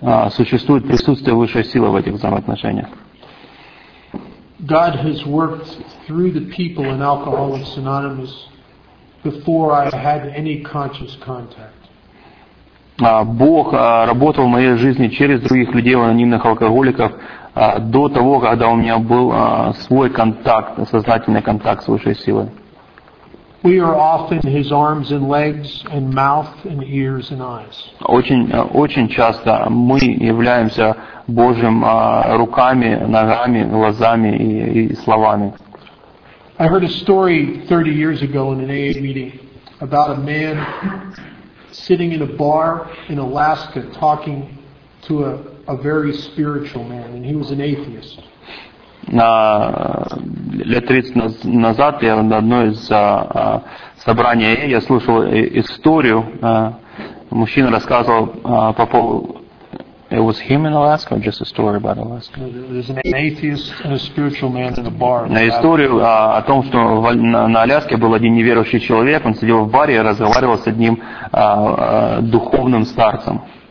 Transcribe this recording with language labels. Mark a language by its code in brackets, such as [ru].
[ru] Существует присутствие высшей силы в этих взаимоотношениях. [en] God has worked through the people in Alcoholics Anonymous before I had any conscious contact. [ru] Бог работал в моей жизни через других людей, в анонимных алкоголиков, до того, когда у меня был свой контакт, сознательный контакт с высшей силой. [en] We are often his arms and legs and mouth and ears and eyes. [ru] Очень часто мы являемся Божьим руками, ногами, глазами и словами. [en] I heard a story 30 years ago in an AA meeting about a man sitting in a bar in Alaska talking to a very spiritual man, and he was an atheist. [ru] Лет 30 назад я на одной из собраний АА я слушал историю. Мужчина рассказывал по поводу. [en] It was him in Alaska, or just a story about Alaska? There's an atheist and a spiritual man in a bar. [ru] На историю о том, что на Аляске был один неверующий человек, он сидел в баре и разговаривал с одним духовным старцем.